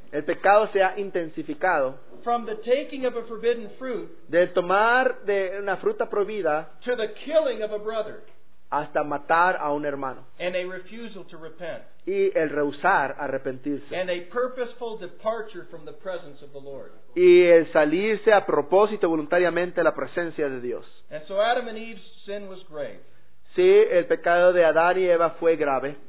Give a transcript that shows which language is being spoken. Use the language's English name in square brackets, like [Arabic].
[Spanish] el pecado se ha intensificado, [English] from the taking of a forbidden fruit, [Spanish] del tomar de una fruta prohibida, [English] to the killing of a brother, [Spanish] hasta matar a un hermano, [English] and a refusal to repent, [Spanish] y el rehusar arrepentirse, [English] and a purposeful departure from the presence of the Lord, [Spanish] y el salirse a propósito voluntariamente de la presencia de Dios. [English] And so Adam and Eve's sin was grave. [Spanish] Sí, el pecado de Adán y Eva fue grave.